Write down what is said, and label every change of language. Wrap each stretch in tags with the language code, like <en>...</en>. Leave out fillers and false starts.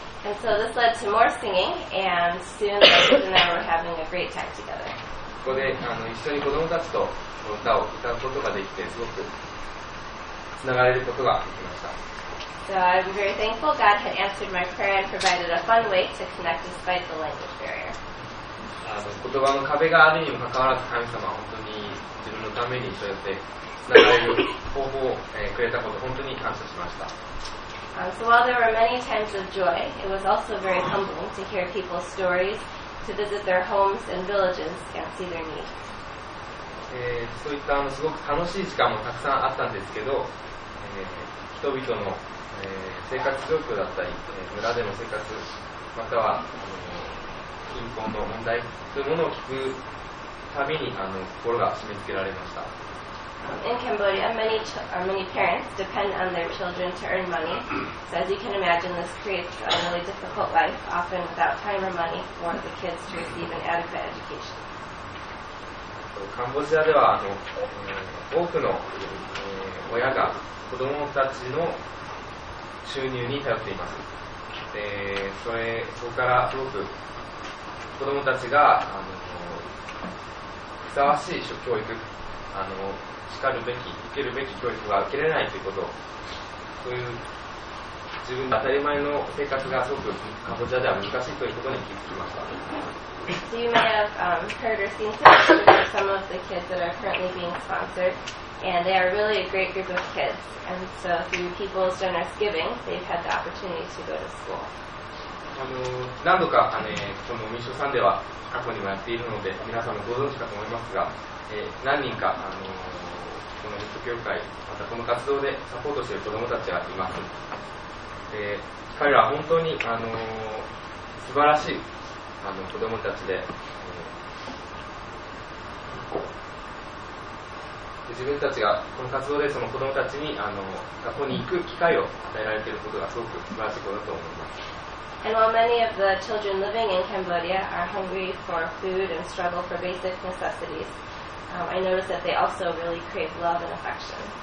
<en>And so this led to more singing, and soon the kids and I were having a great time together.</en> <ja>ここで一緒に子供たちとこの歌を歌うことができて、すごくつながれることができました。</ja> <en>So I'm very thankful God had answered my prayer and provided a fun way to connect despite the language barrier.</en> <ja>言葉の壁があるにもかかわらず、神様は本当に自分のためにそうやって。なれる方法を、くれたこと本当に感謝しました。</ja> <en>So while there were many times of joy, it was also very humbling to hear people's stories, to visit their homes and villages and see their needs.</en> <ja>そういったすごく楽しい時間もたくさんあったんですけど、人々の、生活状況だったり、村での生活、または、貧困の問題というものを聞くたびに心が締め付けられました。</ja> <en>In Cambodia, many parents depend on their children to earn money. So as you can imagine, this creates a really difficult life, often without time or money for the kids to receive an adequate education.</en> <ja>カンボジアでは多くの親が子どもたちの収入に頼っています。で、そこからすごく子どもたちがふさわしい教育叱るべき、受けるべき教育が受けれないということ、そういう自分の当たり前の生活がすごくカボチャでは難しいということに気づきました。</ja> <en>So you may have heard or seen some of the kids that are currently being sponsored, and they are really a great group of kids. And so through People's Generous Giving, they've had the opportunity to go to school.</en> <ja>何度か、この民衆さんでは過去にもやっているので、皆さんもご存知かと思いますが、何人か、このミッド教会、またこの活動でサポートしている子どもたちがいます。彼らは本当に、素晴らしい子どもたちで、自分たちがこの活動でその子どもたちに学校に行く機会を与えられていることがすごく素晴らしいことだと思います。</ja> <en>And while many of the children living in Cambodia are hungry for food and struggle for basic necessities, I notice that they also really crave love and affection.</en>